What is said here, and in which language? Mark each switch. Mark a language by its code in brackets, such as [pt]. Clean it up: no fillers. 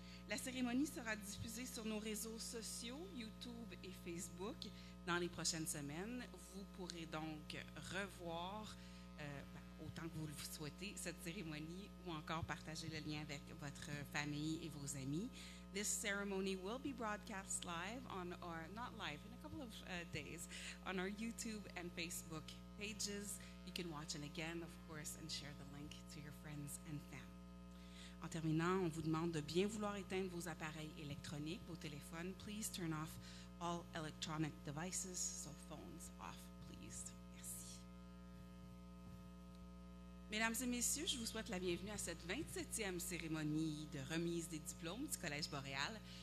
[fr] La cérémonie sera diffusée sur nos réseaux sociaux, YouTube et Facebook, dans les prochaines semaines. Vous pourrez donc revoir, autant que vous le souhaitez, cette cérémonie ou encore partager le lien avec votre famille et vos amis. [en] This ceremony will be broadcast live on our, not live, in a couple of days, on our YouTube and Facebook pages. You can watch it again, of course, and share the link to your friends and family. [fr] En terminant, on vous demande de bien vouloir éteindre vos appareils électroniques, vos téléphones. [en] Please turn off all electronic devices, so phones off, please. Merci. [fr] Mesdames et messieurs, je vous souhaite la bienvenue à cette 27e cérémonie de remise des diplômes du Collège Boréal.